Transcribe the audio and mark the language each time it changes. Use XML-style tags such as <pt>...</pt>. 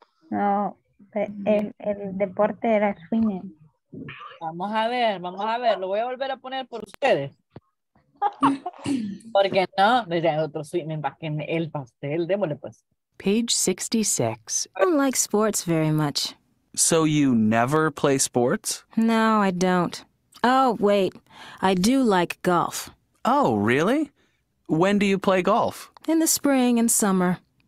<es>No, el deporte era swimming. Vamos a ver, lo voy a volver a poner por ustedes. ¿Por qué no? Desde otro swimming, para que el pastel, démosle pues.</es> <en>Page 66. I don't like sports very much. So you never play sports? No, I don't. Oh, wait, I do like golf. Oh, really? When do you play golf? In the spring and summer.</en>